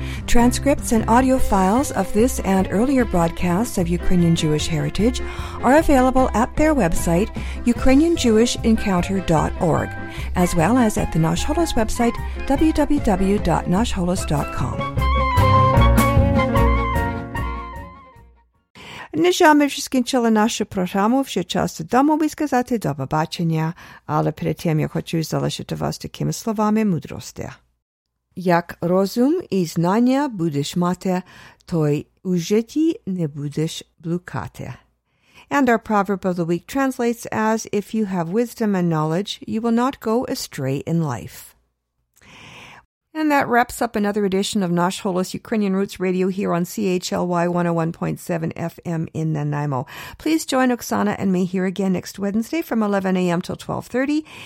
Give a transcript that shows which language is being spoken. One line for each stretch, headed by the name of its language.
English: Transcripts and audio files of this and earlier broadcasts of Ukrainian Jewish Heritage are available at their website, ukrainianjewishencounter.org, as well as at the Nash Holos website, www.nashholos.com.
Ukrainian: Не жа ми вже скінчили нашу програму, вже час домовий сказати до побачення, але перед тим я хочу залишити вас такими словами мудрості. Як розум і знання будеш мати, той у житті не будеш блукати.
English: And our proverb of the week translates as, if you have wisdom and knowledge, you will not go astray in life. And that wraps up another edition of Nash Holos Ukrainian Roots Radio here on CHLY 101.7 FM in Nanaimo. Please join Oksana and me here again next Wednesday from 11 a.m. till 12:30.